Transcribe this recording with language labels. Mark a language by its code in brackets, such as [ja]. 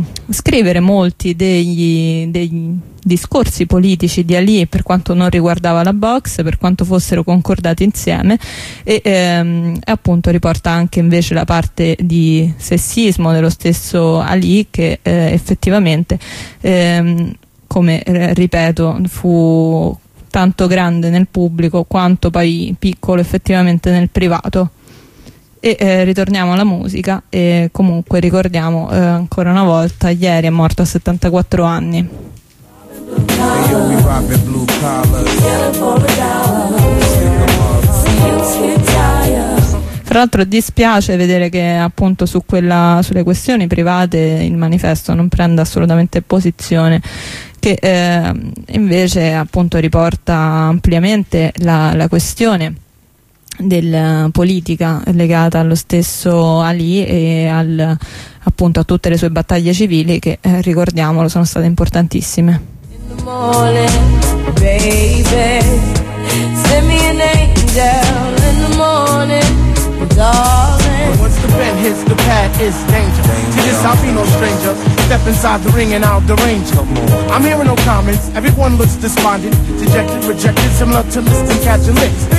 [it] scrivere molti dei discorsi politici di Ali, per quanto non riguardava la box, per quanto fossero concordati insieme, e appunto riporta anche invece la parte di sessismo dello stesso Ali, che effettivamente, come ripeto, fu tanto grande nel pubblico quanto poi piccolo effettivamente nel privato. E ritorniamo alla musica, e comunque ricordiamo ancora una volta, ieri è morto a 74 anni. [en] Hey, yo, we robbing blue collars. Get up for a dollar. [it] Tra l'altro dispiace vedere che appunto sulle questioni private il manifesto non prenda assolutamente posizione, che invece appunto riporta ampiamente la questione della politica legata allo stesso Ali e appunto a tutte le sue battaglie civili che, ricordiamolo, sono state importantissime. [en] Morning, baby, send me an angel in the morning, darling. Once the pen hits the pad, it's danger. to this, I'll be no stranger. Step inside the ring and I'll derange you. I'm hearing no comments, everyone looks despondent. Dejected, rejected, similar to listening, catching licks.